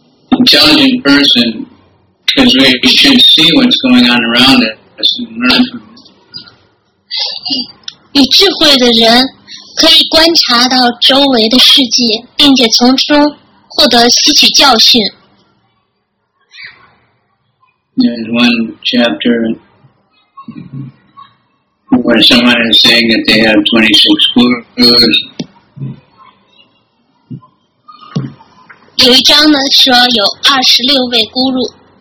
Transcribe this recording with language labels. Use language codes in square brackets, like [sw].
[en] Intelligent person, because we should see what's going on around us and learn from. [zh] 有智慧的人可以观察到周围的世界 并且从中获得吸取教训 [en] There's one chapter where someone is saying that they have 26 gurus [zh] 有一章呢说有26位guru